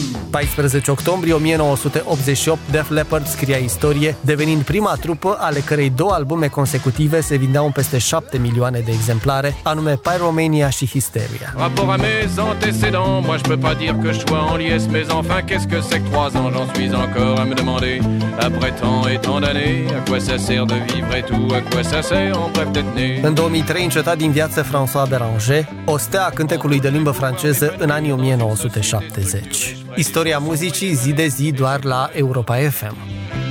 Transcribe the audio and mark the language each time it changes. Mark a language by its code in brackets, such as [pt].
[ro] Pe 14 octombrie 1988, Def Leppard scria istorie, devenind prima trupă ale cărei două albume consecutive se vindeau în peste 7 milioane de exemplare, anume Pyromania și Hysteria. [fr] Rapport à mes antécédents, moi je peux pas dire que je sois en liesse, mais enfin qu'est-ce que c'est que 3 ans, j'en suis encore à me demander, après tant et tant d'années, à quoi ça sert de vivre et tout, à quoi ça sert, en bref d'être né. [ro] În 2003 înceta din viață François Béranger, o stea a cântecului de limbă franceză în anii 1970. Istoria muzicii zi de zi doar la Europa FM.